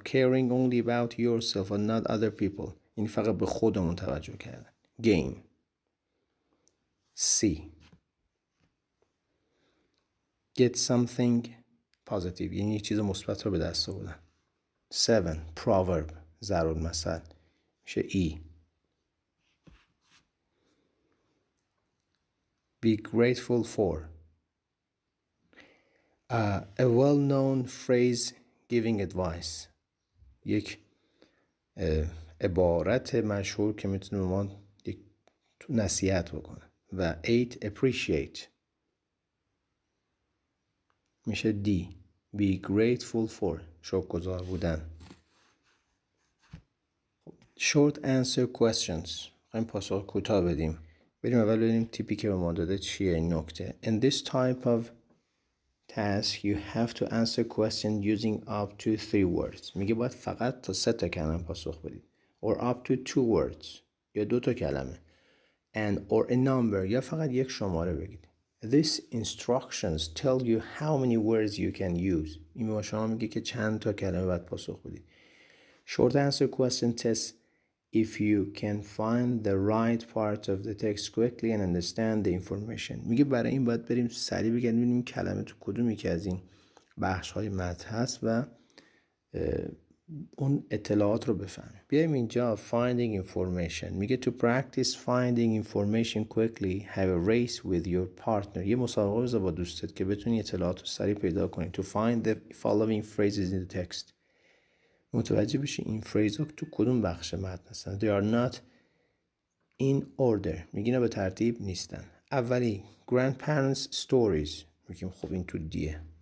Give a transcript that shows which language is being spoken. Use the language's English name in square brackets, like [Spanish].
[English] Caring only about yourself and not other people. [Persian] این فقط به خودمون توجه کردن. [English] Gain. C. Get something positive. [Persian] یعنی یه چیز مثبت رو به دست آوردن. 7. Proverb. ضرب المثل. میشه E. [English] Be grateful for. A well-known phrase giving advice. [Persian] یک عبارت مشهور که میتونه به ما یک نصیحت بکنه. و 8. Appreciate. میشه D. [English] Be grateful for. [Persian] شکرگزار بودن. [English] Short answer questions. [Persian] خواهیم پاسخ کوتاه بدیم. بریم اول بدیم تیپی که به ما داده چیه این نکته. [English] In this type of task you have to answer questions using up to 3 words. [Persian] میگه باید فقط تا 3 تا کلمه پاسخ بدید. [English] Or up to 2 words. [Persian] یا 2 تا کلمه. [English] And or a number. [Persian] یا فقط یک شماره بگید. [English] These instructions tell you how many words you can use. [Persian] این به شما میگه که چند تا کلمه باید پاسخ بدید. [English] Short answer question test. If you can find the right part of the text quickly and understand the information. [Persian] میگه برای این باید بریم سریع بگردیم ببینیم کلمه تو کدومی که از این بخش های متن هست و اون اطلاعات رو بفهمیم. بیایم اینجا [English] finding information. [Persian] میگه [English] to practice finding information quickly have a race with your partner. [Persian] یه مسابقه بذار با دوستت که بتونی اطلاعات رو سریع پیدا کنی. [English] To find the following phrases in the text. [Persian] متوجه بشی این فریز ها تو کدوم بخش متن هستن. [English] They are not in order. [Persian] میگی نه به ترتیب نیستن. اولی [English] grandparents stories. [Persian] میگیم خب این تو دیه.